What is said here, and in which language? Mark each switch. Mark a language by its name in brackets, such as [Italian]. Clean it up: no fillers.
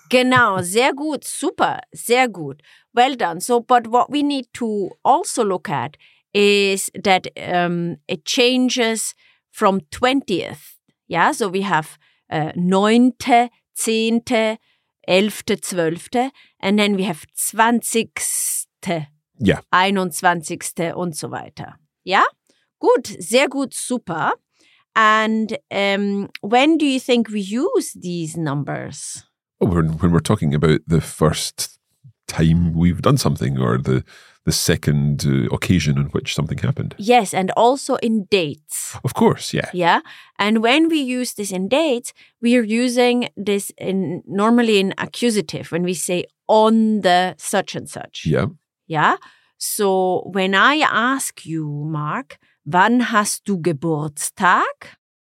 [German] Genau, sehr gut, super, sehr gut. [English] Well done. So, but what we need to also look at is that it changes from 20th. Yeah, so we have neunte, zehnte, elfte, zwölfte, and then we have 20th. Yeah. [German] 21. und so weiter. Yeah? Gut, sehr gut, super. [English] And when do you think we use these numbers? Oh, when we're talking about the first time we've done something or the second occasion in which something happened. Yes, and also in dates. Of course, yeah. Yeah, and when we use this in dates, we are using this normally in accusative, when we say on the such and such. Yeah. Yeah, so when I ask you, Mark, [German] wann hast du Geburtstag?